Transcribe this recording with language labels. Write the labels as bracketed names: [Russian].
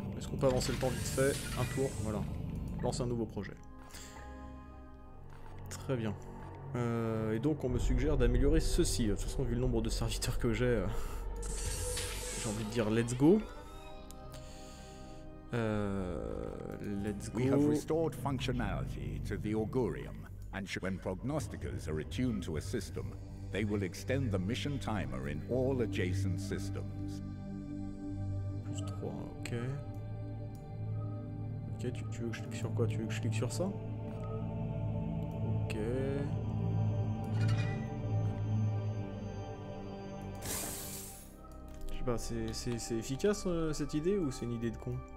[French] On peut avancer le temps vite fait, un tour, voilà. Lance un nouveau projet. Très bien. Et donc on me suggère d'améliorer ceci. De toute façon, vu le nombre de serviteurs que j'ai, j'ai envie de dire [English] let's go. Let's go. We have restored functionality to the Augurium, and when prognosticators are attuned to a system, they will extend the mission timer in all adjacent systems. [French] Plus 3, ok. Ok, tu veux que je clique sur quoi? Tu veux que je clique sur ça? Ok. Je sais pas, c'est efficace cette idée ou c'est une idée de con?